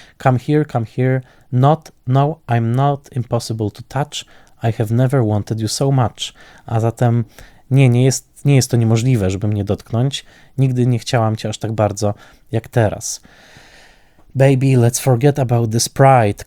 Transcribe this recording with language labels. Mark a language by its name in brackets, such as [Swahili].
[English] Come here, not, no, I'm not impossible to touch, I have never wanted you so much. [Polish] A zatem nie jest to niemożliwe, żeby mnie dotknąć, nigdy nie chciałam cię aż tak bardzo jak teraz. [English] Baby, let's forget about this pride.